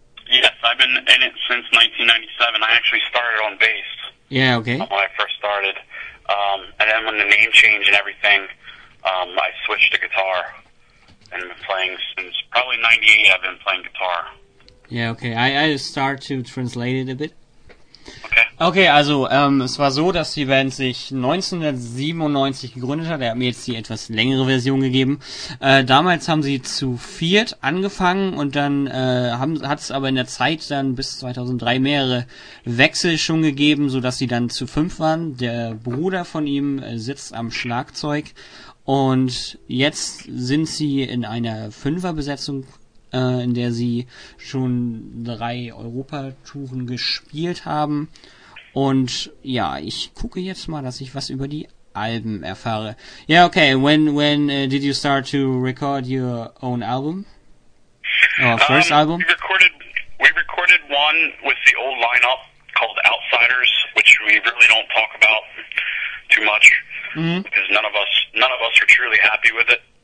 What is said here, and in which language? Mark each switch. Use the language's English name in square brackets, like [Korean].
[English] Yes, I've been in it since 1997. I actually started on bass. Yeah, okay. When I first started. And then when the name changed and everything, I switched to guitar. And been playing since probably 98, I've been playing guitar. Yeah, okay. I start to translate it a bit. Okay, [German] also es war so, dass die Band sich 1997 gegründet hat. Er hat mir jetzt die etwas längere Version gegeben. Damals haben sie zu viert angefangen und dann hat es aber in der Zeit dann bis 2003 mehrere Wechsel schon gegeben, sodass sie dann zu fünf waren. Der Bruder von ihm sitzt am Schlagzeug und jetzt sind sie in einer Fünferbesetzung, in der sie schon drei Europatouren gespielt haben. Und ja, ich gucke jetzt mal, dass ich was über die Alben erfahre. [English] Yeah, okay, when did you start to record your own album? Our first album? We recorded one with the old lineup called Outsiders, which we really don't talk about too much. Mm-hmm. Because none of us are truly happy with it.